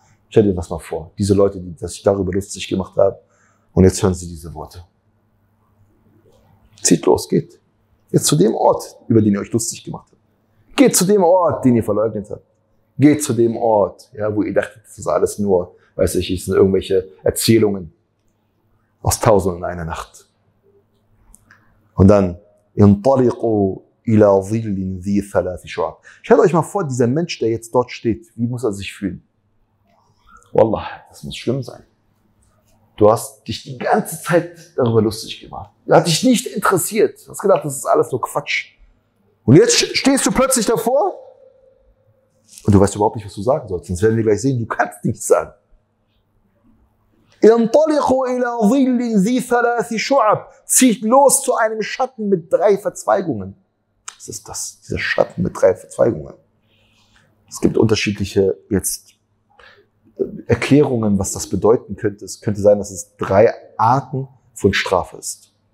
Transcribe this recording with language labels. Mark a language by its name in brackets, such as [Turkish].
[German] Stell dir das mal vor, diese Leute, die sich darüber lustig gemacht haben, und jetzt hören sie diese Worte. Zieht los, geht. Jetzt zu dem Ort, über den ihr euch lustig gemacht habt. Geht zu dem Ort, den ihr verleugnet habt. Geht zu dem Ort, ja, wo ihr dachtet, das ist alles nur, weiß ich, es sind irgendwelche Erzählungen aus Tausend und einer Nacht. Und dann, [Arabic] انطلقوا إلى ظل ذي ثلاث شعب. [German] Stellt euch mal vor, dieser Mensch, der jetzt dort steht, wie muss er sich fühlen? Wallah, das muss schlimm sein. Du hast dich die ganze Zeit darüber lustig gemacht. Du hast dich nicht interessiert. Du hast gedacht, das ist alles nur Quatsch. Und jetzt stehst du plötzlich davor und du weißt überhaupt nicht, was du sagen sollst. Sonst werden wir gleich sehen, du kannst nichts sagen. [Arabic] انطلقوا إلى ظل ذي ثلاث شعب. [German] Zieht los zu einem Schatten mit drei Verzweigungen. Was ist das? Dieser Schatten mit drei Verzweigungen. Es gibt unterschiedliche jetzt Erklärungen, was das bedeuten könnte. Es könnte sein, dass es drei Arten von Strafe ist.